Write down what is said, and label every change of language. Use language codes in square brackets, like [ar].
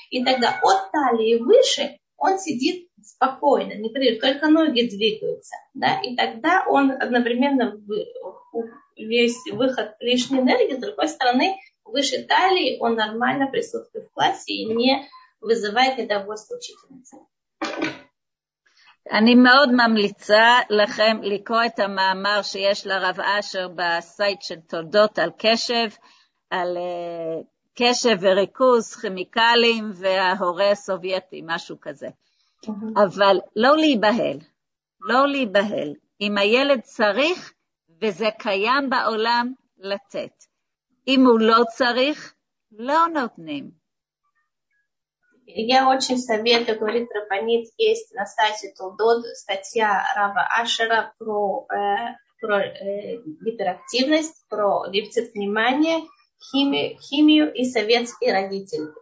[ru] И тогда от талии выше он сидит спокойно, непрерывно, только ноги двигаются. Да? И тогда он одновременно весь выход лишней энергии, с другой стороны, выше талии он нормально присутствует в классе и не вызывает недовольство учительницы. [he] אני מאוד ממליצה לכם לקרוא את המאמר שיש לרב אשר בסייט של תולדות על קשב, על קשב וריכוז, כימיקלים וההורי הסובייטי, משהו כזה. אבל לא להיבהל, לא להיבהל. אם הילד צריך וזה קיים בעולם, לתת. אם הוא לא צריך, לא נותנים. [ru] Я очень советую, говорит Рапанит, есть на сайте Толдот статья Рава Ашера про, гиперактивность, про дефицит внимания, химию и советский родитель.